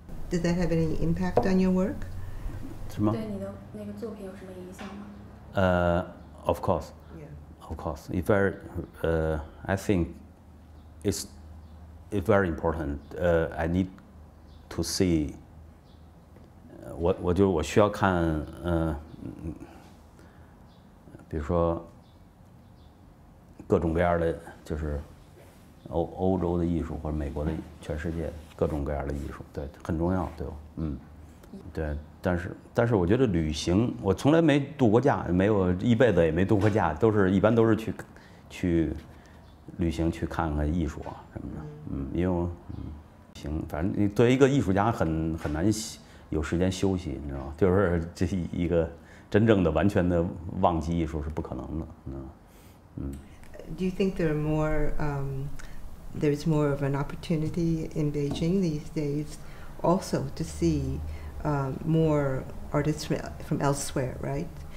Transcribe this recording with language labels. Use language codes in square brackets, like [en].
[en] Does that have any impact on your work? [zh] 什么？对你的那个作品有什么影响吗？ [en] Of course. Yeah. Of course. It's very, I think it's very important. I need to see. [zh] 我需要看比如说各种各样的，就是欧洲的艺术或者美国的全世界。各种各样的艺术，对，很重要，对吧？对，但是我觉得旅行，我从来没度过假，没有一辈子也没度过假，都是一般都是去旅行，去看看艺术啊什么的。因为行，反正对一个艺术家很难有时间休息，你知道吗？就是这一个真正的完全的忘记艺术是不可能的。 [en] Do you think there are more, there's more of an opportunity in Beijing these days also to see more artists from elsewhere, right?